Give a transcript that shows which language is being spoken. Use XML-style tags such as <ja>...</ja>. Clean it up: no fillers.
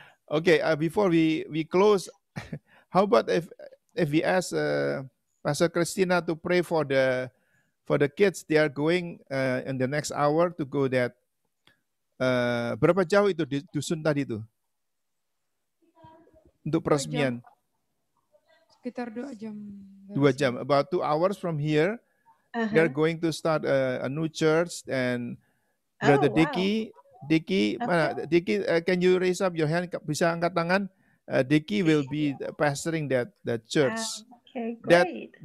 <en>Okay, before we close, how about if we ask Pastor Christina to pray for the kids? They are going in the next hour to go that.</en> <id>Berapa jauh itu di dusun tadi itu untuk peresmian? Sekitar 2 jam. 2 jam,</id> <en>about 2 hours from here. Uh-huh. They are going to start a new church, and Brother Dicky,</en> <id>mana?</id> <en>Okay. Dicky, can you raise up your hand?</en> <id>Bisa angkat tangan?</id> <en>Dicky will be pastoring that church. Okay, great.</en>